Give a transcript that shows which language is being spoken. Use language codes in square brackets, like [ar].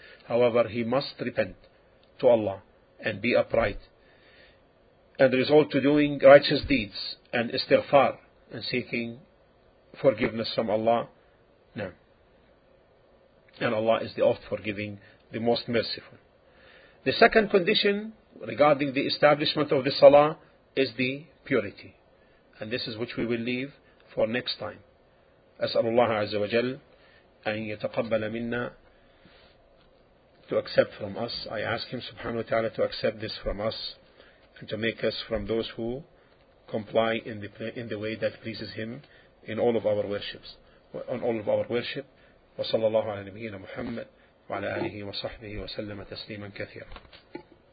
[en] However, he must repent to Allah and be upright and resolve to doing righteous deeds and istighfar and seeking forgiveness from Allah. No. And Allah is the oft-forgiving, the most merciful. The second condition regarding the establishment of the salah is the purity. And this is which we will leave for next time. [ar] أسأل الله عز وجل أن يتقبل منا, [en] to accept from us. I ask him subhanahu wa ta'ala to accept this from us and to make us from those who comply in the way that pleases him in all of our worships. On all of our worship. [ar] وصلى الله على نبينا محمد وعلى آله وصحبه وسلم تسليما كثيرا.